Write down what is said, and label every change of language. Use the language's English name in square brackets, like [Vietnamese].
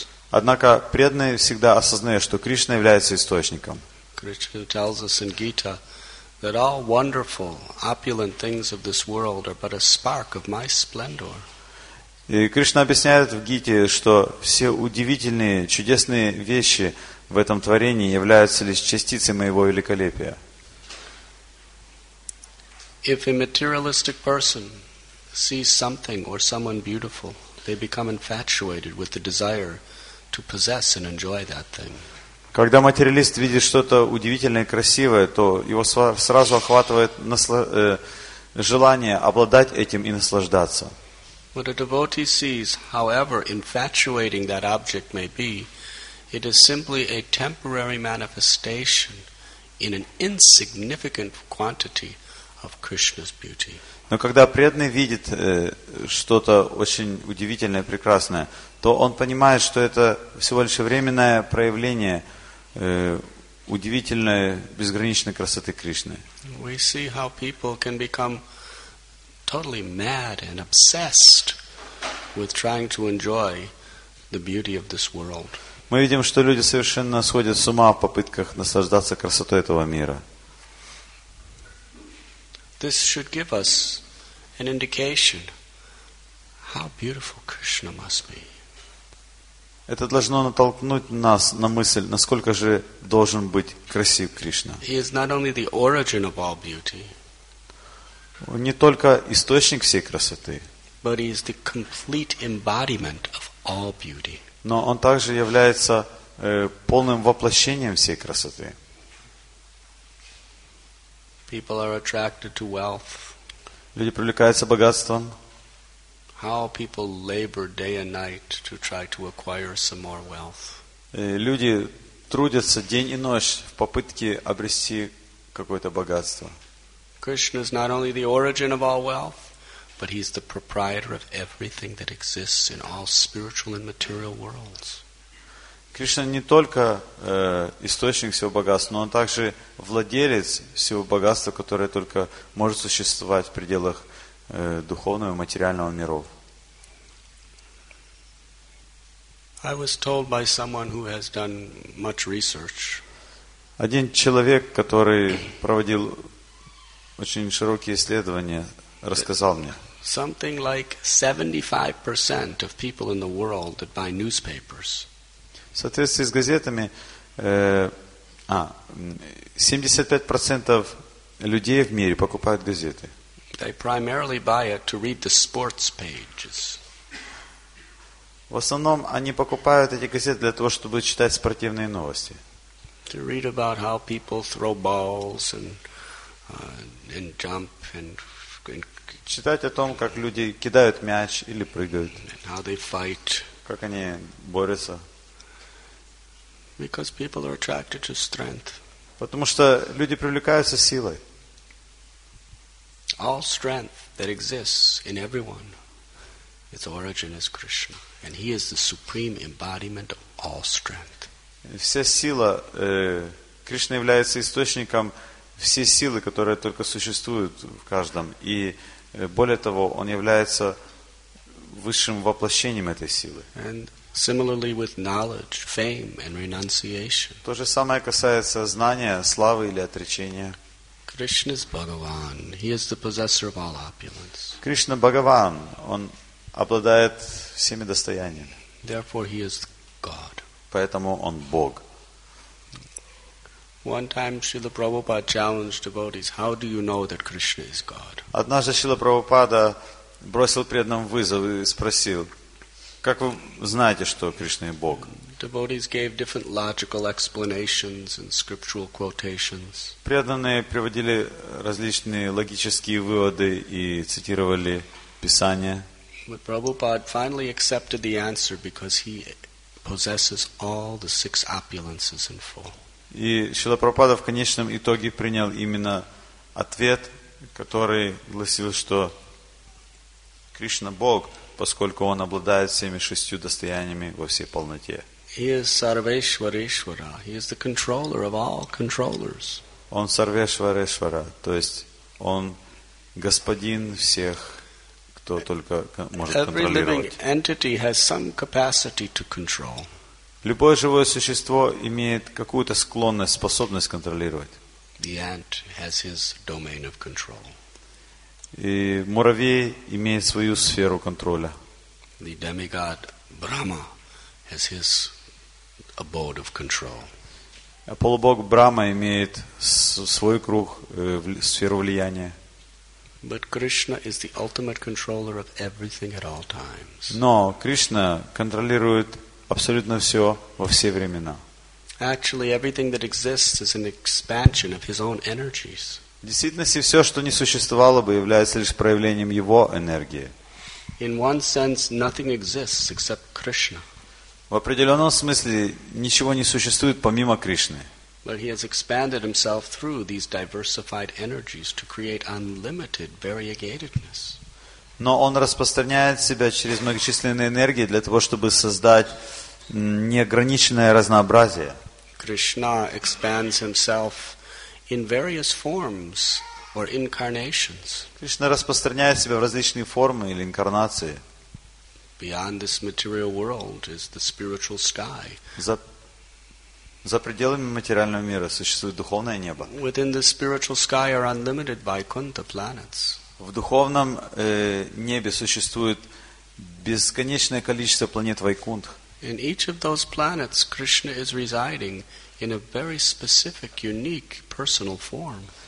[Russian] Однако преданный всегда осознает, что Кришна является источником. [English] Кришна tells us in Gita that all wonderful, opulent things of this world are but a spark of my splendor. [Russian] И Кришна объясняет в Гите, что все удивительные, чудесные вещи в этом творении являются лишь частицы моего великолепия. [English] If a materialistic person sees something or someone beautiful, they become infatuated with the desire to possess and enjoy that thing. [Russian] Когда материалист видит что-то удивительное и красивое, то его сразу охватывает желание обладать этим и наслаждаться. [English] But a devotee sees, however infatuating that object may be, it is simply a temporary manifestation in an insignificant quantity of Krishna's beauty. [Russian] Но когда преданный видит что-то очень удивительное, прекрасное, то он понимает, что это всего лишь временное проявление удивительной, безграничной красоты Кришны. [English] We see how people can become totally mad and obsessed with trying to enjoy the beauty of this world. [Russian] Мы видим, что люди совершенно сходят с ума в попытках наслаждаться красотой этого мира. [English] This should give us an indication how beautiful Krishna must be. [Russian] Это должно натолкнуть нас на мысль, насколько же должен быть красив Кришна. [English] He is not only the origin of all beauty, [Russian] он не только источник всей красоты, [English] but he is the complete embodiment of all beauty. [Russian] Но он также является полным воплощением всей красоты. [English] People are attracted to wealth. [Russian] Люди привлекаются богатством. [English] How people labor day and night to try to acquire some more wealth. [Russian] Люди трудятся день и ночь в попытке обрести какое-то богатство. [English] Krishna is not only the origin of all wealth, but he's the proprietor of everything that exists in all spiritual and material worlds. [Russian] Кришна не только источник всего богатства, но он также владелец всего богатства, которое только может существовать в пределах духовного и материального миров. [English] I was told by someone who has done much research. [Russian] Один человек, который проводил очень широкие исследования, рассказал мне. [English] Something like 75% of people in the world that buy newspapers. [Russian] В соответствии с газетами, 75% людей в мире покупают газеты. [English] They primarily buy it to read the sports pages. [Russian] В основном они покупают эти газеты для того, чтобы читать спортивные новости. [English] To read about how people throw balls and jump and [Russian] читать о том, как люди кидают мяч или прыгают. [English] How they fight. [Russian] Как они борются. [English] Because people are attracted to strength. [Russian] Потому что люди привлекаются силой. [English] all strength that exists in everyone, its origin is Krishna. And he is the supreme embodiment of all strength. [Russian] Вся сила, Кришна является источником всей силы, которая только существует в каждом. И более того, он является высшим воплощением этой силы. [English] And similarly with knowledge, fame and renunciation. [Russian] То же самое касается знания, славы или отречения. [English] Krishna is Bhagavan. He is the possessor of all opulence. [Russian] Кришна Бхагаван, он обладает всеми достояниями. [English] Therefore he is God. [Russian] Поэтому он Бог. [English] One time Srila Prabhupada challenged devotees, how do you know that Krishna is God? [Russian] Однажды Шрила Прабхупада бросил преданным вызов и спросил: как вы знаете, что Кришна и Бог? [English] Devotees gave different logical explanations and scriptural quotations. [Russian] Преданные приводили различные логические выводы и цитировали Писание. [English] But Prabhupada finally accepted the answer because he possesses all the six opulences in full. [Russian] И Шрила Прабхупада в конечном итоге принял именно ответ, который гласил, что Кришна – Бог, поскольку Он обладает всеми шестью достояниями во всей полноте. [English] He is Sarveshwareshwara. He is the controller of all controllers. [Russian] Он Sarveshwareshwara, то есть Он Господин всех, кто только может контролировать. [English] Every living entity has some capacity to control. [Russian] Любое живое существо имеет какую-то склонность, способность контролировать. [English] The ant has his domain of control. [Russian] И муравей имеет свою сферу контроля. [English] The demigod Brahma has his abode of control. [Russian] А полубог Брахма имеет свой круг, сферу влияния. [English] But Krishna is the ultimate controller of everything at all times. [Russian] Но Кришна контролирует абсолютно все во все времена. [English] Actually, everything that exists is an expansion of his own energies. [Russian] В действительности, все, что не существовало бы, является лишь проявлением Его энергии. [English] In one sense, nothing exists except Krishna. [Russian] В определенном смысле, ничего не существует помимо Кришны. [English] But he has expanded himself through these diversified energies to create unlimited variegatedness. [Russian] Но Он распространяет Себя через многочисленные энергии для того, чтобы создать неограниченное разнообразие. [English] Krishna expands himself in various forms or incarnations. [Russian] Кришна распространяет Себя в различные формы или инкарнации. [English] Beyond this material world is the spiritual sky. [Russian] За пределами материального мира существует духовное небо. [English] Within the spiritual sky are unlimited Vaikuntha planets. [Russian] В духовном небе существует бесконечное количество планет Вайкунтх. [English] In each of those planets, Krishna is residing in a very specific, unique, personal form.